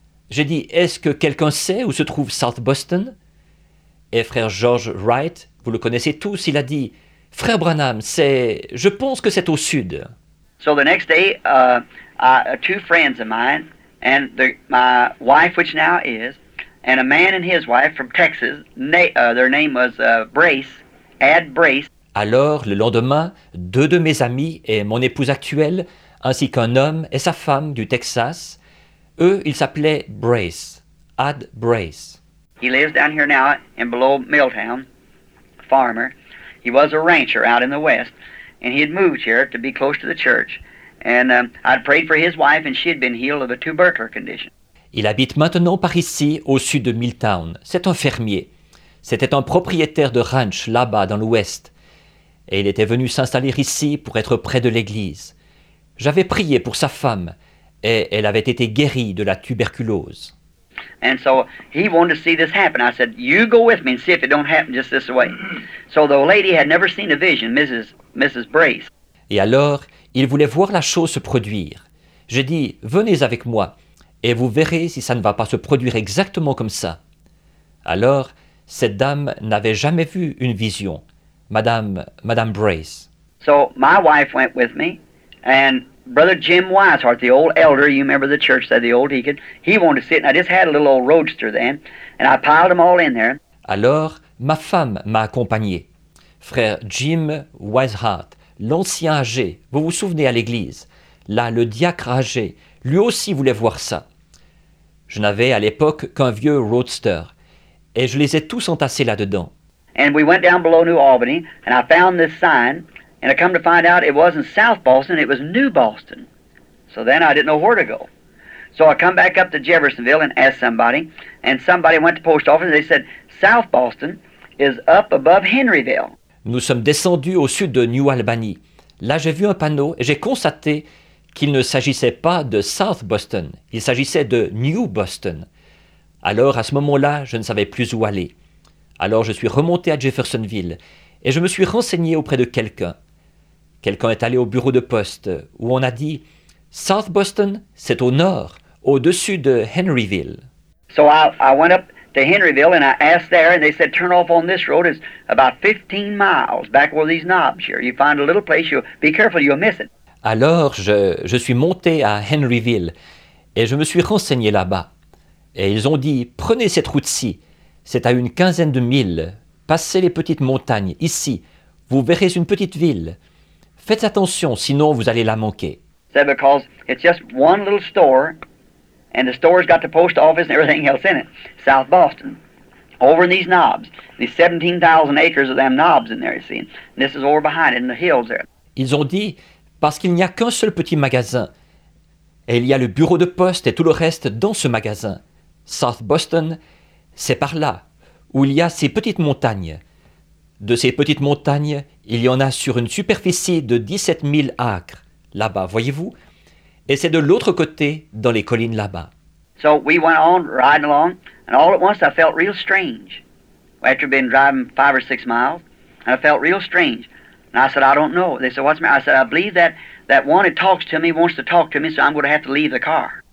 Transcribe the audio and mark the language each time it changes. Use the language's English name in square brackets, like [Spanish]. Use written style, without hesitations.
[French] J'ai dit, est-ce que quelqu'un sait où se trouve South Boston? Et frère George Wright, vous le connaissez tous, il a dit, frère Branham, je pense que c'est au sud. [English] So the next day, two friends of mine, and my wife, which now is, and a man and his wife from Texas, their name was Brace. Ad Brace. [French] Alors, le lendemain, deux de mes amis et mon épouse actuelle, ainsi qu'un homme et sa femme du Texas, eux, ils s'appelaient Brace, Ad Brace. [English] He lives down here now in below Milltown, farmer. He was a rancher out in the west, and he had moved here to be close to the church. And I'd prayed for his wife, and she had been healed of a tubercular condition. [French] Il habite maintenant par ici, au sud de Milltown. C'est un fermier. C'était un propriétaire de ranch là-bas dans l'ouest. Et il était venu s'installer ici pour être près de l'église. J'avais prié pour sa femme, et elle avait été guérie de la tuberculose. [English] And so he wanted to see this happen. I said, you go with me and see if it don't happen just this way. So the lady had never seen a vision, Mrs. Brace. [French] Et alors, il voulait voir la chose se produire. J'ai dit, venez avec moi et vous verrez si ça ne va pas se produire exactement comme ça. Alors, cette dame n'avait jamais vu une vision, Madame Brace. [English] So my wife went with me and Brother Jim Weishart, the old elder, you remember the church, the old deacon, he wanted to sit, and I just had a little old roadster then, and I piled them all in there. [French] Alors, ma femme m'a accompagné. Frère Jim Weishart, l'ancien âgé, vous vous souvenez à l'église. Là, le diacre âgé, lui aussi voulait voir ça. Je n'avais à l'époque qu'un vieux roadster, et je les ai tous entassés là-dedans. [English] And we went down below New Albany, and I found this sign. And I come to find out it wasn't South Boston, it was New Boston. So then I didn't know where to go. So I come back up to Jeffersonville and asked somebody, and somebody went to post office and they said, South Boston is up above Henryville. [French] Nous sommes descendus au sud de New Albany. Là, j'ai vu un panneau et j'ai constaté qu'il ne s'agissait pas de South Boston, il s'agissait de New Boston. Alors, à ce moment-là, je ne savais plus où aller. Alors, je suis remonté à Jeffersonville et je me suis renseigné auprès de quelqu'un. Quelqu'un est allé au bureau de poste où on a dit « South Boston, c'est au nord, au-dessus de Henryville. » [English] So I went up to Henryville and I asked there and they said « Turn off on this road, it's about 15 miles back over these knobs here. You find a little place, you be careful, you'll miss it. » [French] Alors je suis monté à Henryville et je me suis renseigné là-bas. Et ils ont dit « Prenez cette route-ci, c'est à une quinzaine de milles, passez les petites montagnes, ici, vous verrez une petite ville. » Faites attention, sinon vous allez la manquer. C'est [English] because it's just one little store, and the store's got the post office and everything else in it, South Boston, over in these knobs, these 17,000 acres of them knobs in there, you see, and this is over behind it in the hills there. [French] Ils ont dit, parce qu'il n'y a qu'un seul petit magasin, et il y a le bureau de poste et tout le reste dans ce magasin. South Boston, c'est par là, où il y a ces petites montagnes. De ces petites montagnes, il y en a sur une superficie de 17 000 acres, là-bas, voyez-vous? Et c'est de l'autre côté, dans les collines là-bas. [English] So we went on, riding along, and all at once I felt real strange. After being driving 5 or 6 miles, and I felt real strange. And I said, I don't know. They said, what's the matter? I said, I believe that one that talks to me wants to talk to me, so I'm going to have to leave the car.